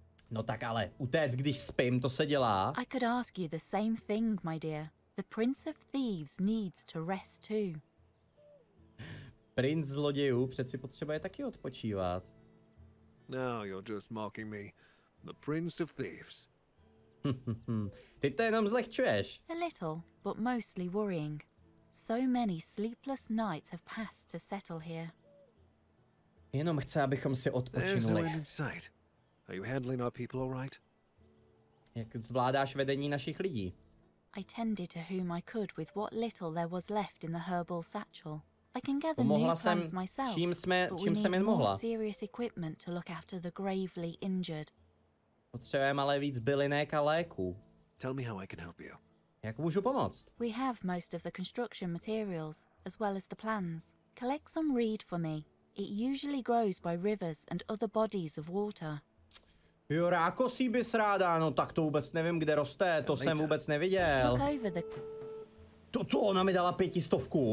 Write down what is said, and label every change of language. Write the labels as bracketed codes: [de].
[cs] No tak ale utéct, když spím, to se dělá. [en] I could ask you the same thing, my dear. The Prince of Thieves needs to rest too. [cs] Princ zlodějů přeci potřebuje taky odpočívat. [en] Now you're just mocking me. The Prince of Thieves. [cs] Ty to jenom zlehčuješ. [en] A little, but mostly worrying. So many sleepless nights have passed to settle here. [cs] Jenom chce, abychom si odpočinuli. [en] Are you handling our people all right? [cs] Jak zvládáš vedení našich lidí? [en] I tended to whom I could with what little there was left in the herbal satchel. I can gather new plants myself. [cs] Mohla jsem, čím jsem jen mohla. [en] Serious equipment to look after the gravely injured. [cs] Potřebujeme ale víc bylinek a léků. [en] Tell me how I can help you. [cs] Jak můžu pomoct? [en] We have most of the construction materials, as well as the plans. Collect some reed for me. It usually grows by rivers and other bodies of water. [cs] Jo, rákosí bys ráda, no tak to vůbec nevím, kde roste, to jsem vůbec neviděl. To co, ona mi dala 500?